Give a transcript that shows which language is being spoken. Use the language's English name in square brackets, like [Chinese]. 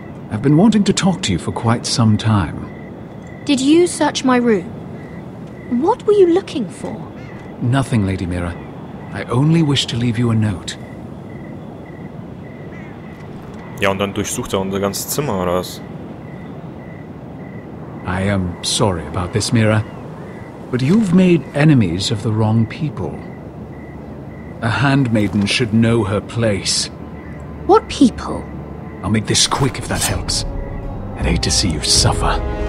[English] I've been wanting to talk to you for quite some time. Did you search my room? What were you looking for? Nothing, Lady Mira. I only wish to leave you a note. [German] Ja, und dann durchsucht er unser ganzes Zimmer, oder was? [English] I am sorry about this, Mira. But you've made enemies of the wrong people. A handmaiden should know her place. What people? I'll make this quick if that helps. I'd hate to see you suffer.